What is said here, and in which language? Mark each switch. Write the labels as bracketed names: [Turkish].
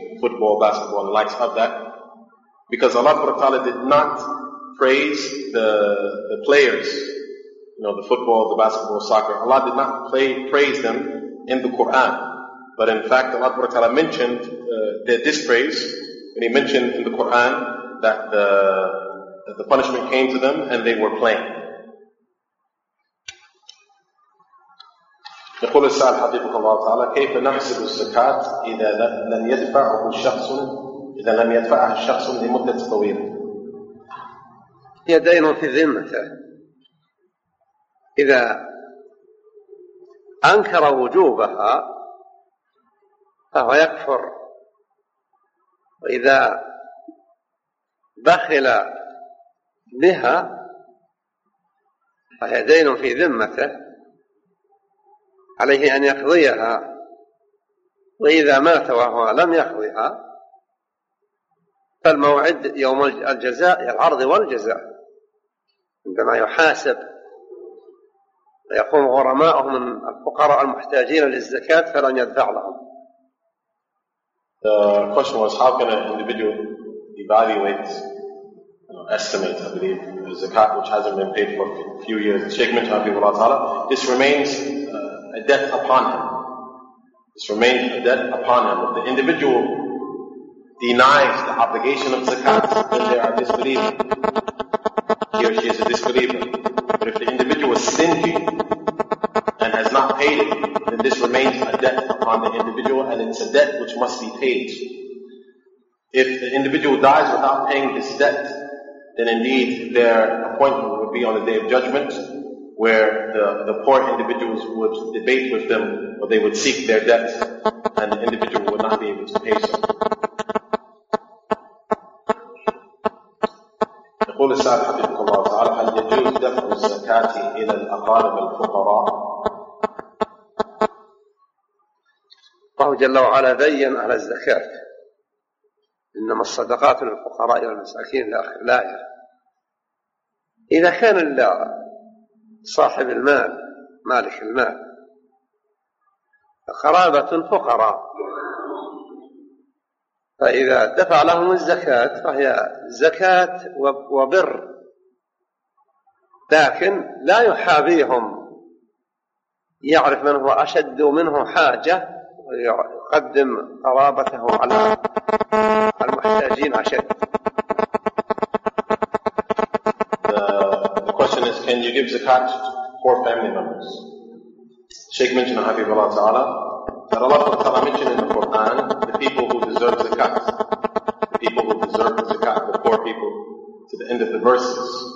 [English] football, basketball, and the likes of that, because Allah subhanahu wa ta'ala did not praise the players, you know, the football, the basketball, soccer. Allah did not praise them in the Quran. But in fact, Allah subhanahu wa ta'ala mentioned their dispraise, and He mentioned in the Quran that the punishment came to them and they were playing. [Arabic] يقول السائل حفظك الله تعالى كيف نحسب الزكاة إذا لم يدفعه الشخص إذا لم يدفعه الشخص لمدة طويلة؟ هي دين في ذمة. إذا أنكر وجوبها فهو يكفر، وإذا بخل بها فهي دين في ذمته، عليه أن يقضيها، وإذا مات وهو لم يقضها فالموعد يوم الجزاء، العرض والجزاء، عندما يحاسب ويقوم غرماؤه من الفقراء المحتاجين للزكاة فلن يدفع لهم. [English] The question was, how can an individual evaluate, you know, estimate, I believe, the zakat which hasn't been paid for a few years? The Shaykh mentioned, Habib Allah Ta'ala, this remains a debt upon him. This remains a debt upon him. If the individual denies the obligation of zakat, then they are disbelieving. He or she is a disbeliever. But if the individual is stingy and has not paid it, then this remains a debt upon the individual, and it's a debt which must be paid. If the individual dies without paying this debt, then indeed their appointment would be on the Day of Judgment, where the poor individuals would debate with them, or they would seek their debt, and the individual would not be able to pay so. [Arabic] يقول السائل حفظك الله تعالى هل يجوز دفع الزكاة إلى الأقارب الفقراء؟ الله جل وعلا بين على الزكاة، إنما الصدقات للفقراء والمساكين إلى آخر الآية. إذا كان صاحب المال مالك المال قرابة فقراء، فإذا دفع لهم الزكاة فهي زكاة وبر، لكن لا يحابيهم، يعرف من هو أشد منه حاجة ويقدم قرابته على المحتاجين أشد. [English] The question is, can you give zakat to poor family members? Shaykh mentioned, Habib Allah Ta'ala, that Allah Ta'ala mentioned in the Quran the people who deserve zakat, the people who deserve the zakat, the poor people, to the end of the verses.